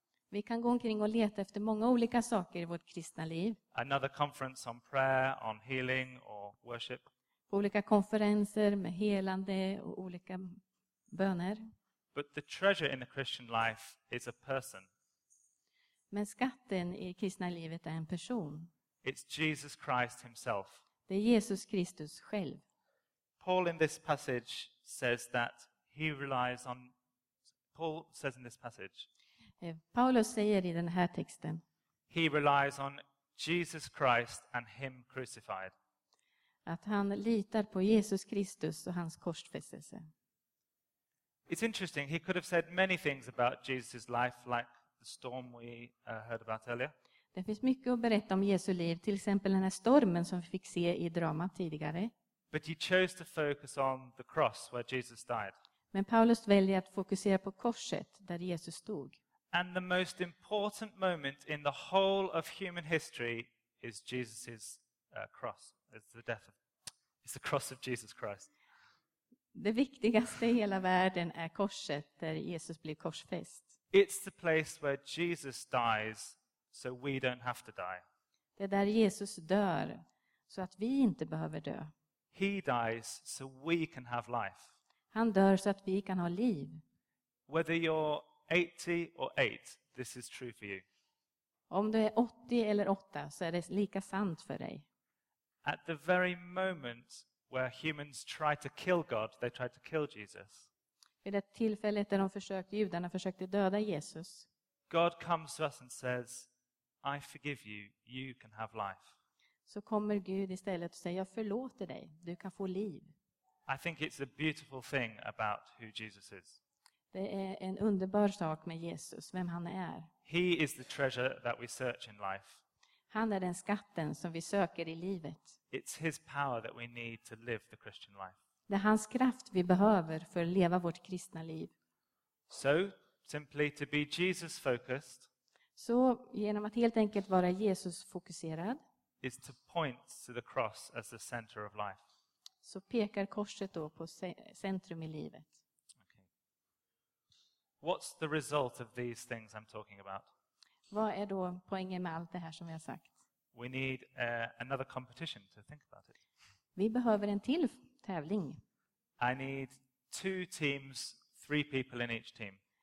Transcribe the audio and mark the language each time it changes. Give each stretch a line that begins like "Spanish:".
Swedish: Vi kan gå omkring och leta efter många olika saker i vårt kristna liv.
English: Another conference on prayer, on healing or worship.
Swedish: Olika konferenser med helande och olika böner.
English: But the treasure in the Christian life is a person.
Swedish: Men skatten i kristna livet är en person.
English: It's Jesus Christ himself.
Swedish: Det är Jesus Kristus själv.
English: Paul in this passage says that he relies on, Paul says in this passage.
Swedish: Paulus säger i den här texten.
English: He relies on Jesus Christ and him crucified.
Swedish: Att han litar på Jesus Kristus och hans korsfästelse.
English: It's interesting, he could have said many things about Jesus' life like the storm we heard about earlier.
Swedish: Det finns mycket att berätta om Jesu liv, till exempel den här stormen som vi fick se i drama tidigare.
English: But he chose to focus on the cross where Jesus died.
Swedish: Men Paulus väljer att fokusera på korset där Jesus stod.
English: And the most important moment in the whole of human history is Jesus's cross. It's the cross of Jesus Christ.
Swedish: Det viktigaste i hela världen är korset där Jesus blev korsfäst.
English: It's the place where Jesus dies so we don't have to die.
Swedish: Det är där Jesus dör så att vi inte behöver dö.
English: He dies so we can have life.
Swedish: Han dör så att vi kan ha liv.
English: Whether you're 80 or 8, this is true for you.
Swedish: Om du är 80 eller 8 så är det lika sant för dig.
English: At the very moment where humans try to kill God, they try to kill Jesus.
Swedish: Vid det tillfället där judarna försökte döda Jesus.
English: God comes to us and says, I forgive you, you can have life.
Swedish: Så kommer Gud istället och säger, jag förlåter dig, du kan få liv.
English: I think it's a beautiful thing about who Jesus is.
Swedish: Det är en underbar sak med Jesus, vem han är.
English: He is the treasure that we search in life.
Swedish: Han är den skatten som vi söker i livet.
English: It's his power that we need to live the Christian life.
Swedish: Det är hans kraft vi behöver för att leva vårt kristna liv.
English: So, simply to be Jesus focused.
Swedish: Så genom att helt enkelt vara Jesus fokuserad.
English: Is to point to the cross as the center of life.
Swedish: Så pekar korset då på centrum i livet.
English: Okay. What's the result of these things I'm talking about?
Swedish: Vad är då poängen med allt det här som vi har sagt?
English: We need another competition to think about it.
Swedish: Vi behöver en till tävling.
English: I need two teams, three people in each team.